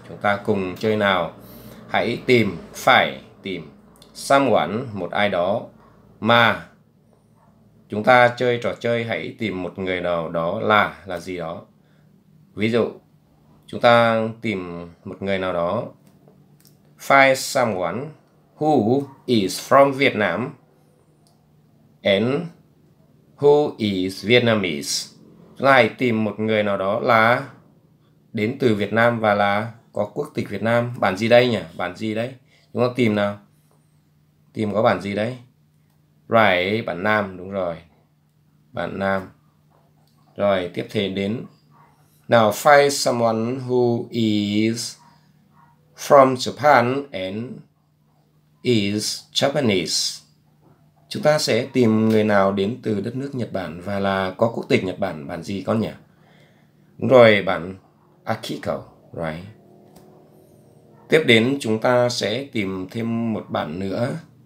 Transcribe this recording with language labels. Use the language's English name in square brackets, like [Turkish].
[Vietnamese] Chúng ta cùng chơi nào. Hãy tìm, phải tìm someone, một ai đó, mà chúng ta chơi trò chơi hãy tìm một người nào đó là gì đó. Ví dụ, chúng ta tìm một người nào đó. [English] Find someone who is from Vietnam and who is Vietnamese. [Vietnamese] Chúng ta hãy tìm một người nào đó là đến từ Việt Nam và là có quốc tịch Việt Nam. Bạn gì đây nhỉ? Bạn gì đấy? Chúng ta tìm nào? Tìm có bạn gì đấy? Right, bạn Nam, đúng rồi. Bạn Nam. Rồi, tiếp theo đến. [English] Now, find someone who is from Japan and is Japanese. [Vietnamese] Chúng ta sẽ tìm người nào đến từ đất nước Nhật Bản và là có quốc tịch Nhật Bản. Bạn gì con nhỉ? Đúng rồi, bạn Akiko, right. Tiếp đến, chúng ta sẽ tìm thêm một bạn nữa.